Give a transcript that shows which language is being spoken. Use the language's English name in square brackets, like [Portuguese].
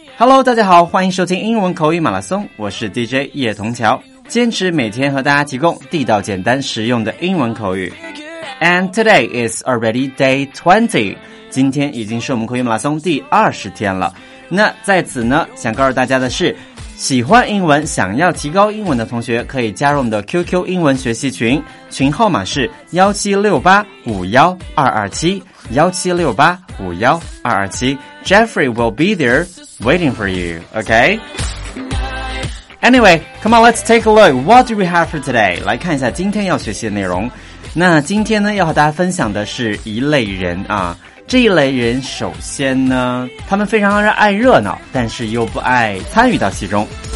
[Chinese] Hello, 大家好，欢迎收听英文口语马拉松。我是 DJ 叶童桥，坚持每天和大家提供地道、简单、实用的英文口语。 [English] And today is already day 20. [Chinese] 今天已经是我们口语马拉松第20天了。那在此呢，想告诉大家的是，喜欢英文、想要提高英文的同学可以加入我们的 QQ 英文学习群，群号码是17685127。 [English] 17685127 Jeffrey will be there waiting for you, okay? Anyway, come on, let's take a look. What do we have for today? [Chinese] 来看一下今天要学习的内容。那今天呢，要和大家分享的是一类人啊。这一类人首先呢，他们非常爱热闹，但是又不爱参与到其中。